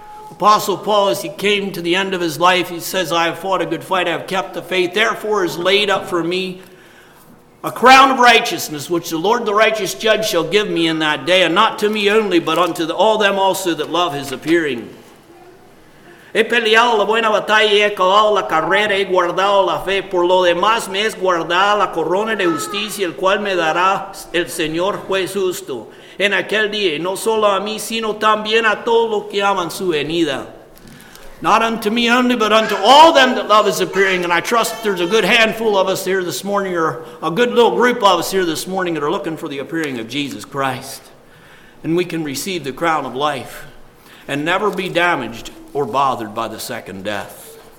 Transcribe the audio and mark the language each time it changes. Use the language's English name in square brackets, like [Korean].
[English] Apostle Paul, as he came to the end of his life, he says, I have fought a good fight, I have kept the faith, therefore is laid up for me a crown of righteousness, which the Lord, the righteous judge, shall give me in that day, and not to me only, but unto all them also that love his appearing. [Spanish] He peleado la buena batalla, he acabado la carrera, he guardado la fe. Por lo demás me es guardada la corona de justicia, el cual me dará el Señor juez justo en aquel día, y no solo a mí, sino también a todos los que aman su venida. [English] Not unto me only, but unto all them that love his appearing. And I trust there's a good handful of us here this morning, or a good little group of us here this morning, that are looking for the appearing of Jesus Christ. And we can receive the crown of life and never be damaged or bothered by the second death.